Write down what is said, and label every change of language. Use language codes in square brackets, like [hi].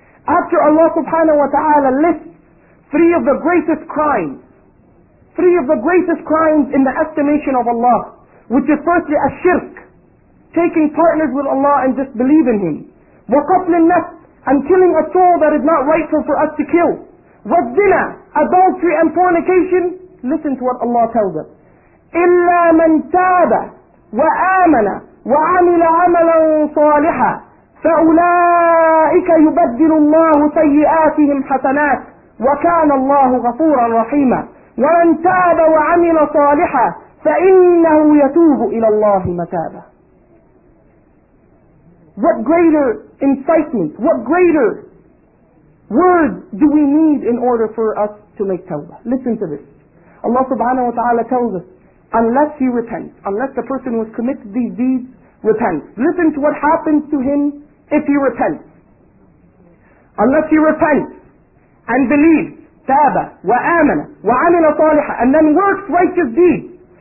[en] After Allah subhanahu wa ta'ala lists three of the greatest crimes in the estimation of Allah, which is firstly a shirk, taking partners with Allah and disbelieving Him. [ar] وَقَفْلِ النَّفْسِ [en] And killing a soul that is not rightful for us to kill. [ar] وَالزِّنَا [en] Adultery and fornication. Listen to what Allah tells us. [ar] إِلَّا مَنْ تَابَ وَآمَنَ وَعَمِلَ عَمَلًا صَالِحًا فَأُولَٰئِكَ يُبَدِّلُ اللَّهُ سَيِّئَاتِهِمْ حَسَنَاتٍ وَكَانَ اللَّهُ غَفُورًا رَحِيمًا وَمَنْ تَابَ وَعَمِلَ صَالِحًا فَإِنَّهُ يَتُوبُ إِلَى اللَّهِ مَتَابًا [en] What greater incitement, what greater words do we need in order for us to make tawbah? Listen to this. Allah subhanahu wa ta'ala tells us, unless he repents, unless the person who has committed these deeds repents. Listen to what happens to him if he repents. Unless he repents and believes, [ar] تَابَ وَآمَنَ وَعَمِلَ صَالِحًا [en] And then works righteous deeds.